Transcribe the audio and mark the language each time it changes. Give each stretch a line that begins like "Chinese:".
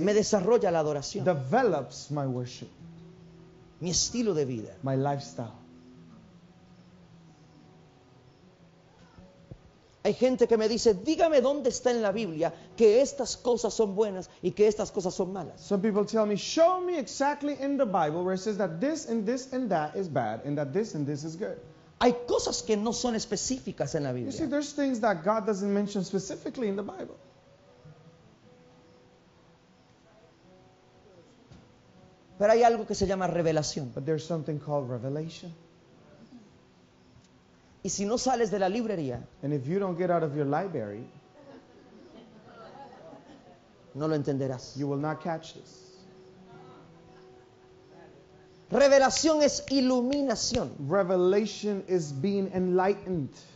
Spanish: Me desarrolla la adoración.
English: Develops my worship.
Spanish: Mi estilo de vida.
English: My lifestyle.
Spanish: Hay gente que me dice, dígame dónde está en la Biblia que estas cosas son buenas y que estas cosas son malas.
English: Some people tell me, show me exactly in the Bible where it says that this and this and that is bad and that this and this is good.
Spanish: Hay cosas que no son específicas en la Biblia.
English: You see, there's things that God doesn't mention specifically in the Bible.
Spanish: Pero hay algo que se llama revelación.
English: But there's something called revelation.
Spanish: Y si no sales de la librería,
English: and if you don't get out of your library,
Spanish: no lo entenderás.
English: You will not catch this.
Spanish: Revelación es iluminación.
English: Revelation is being enlightened.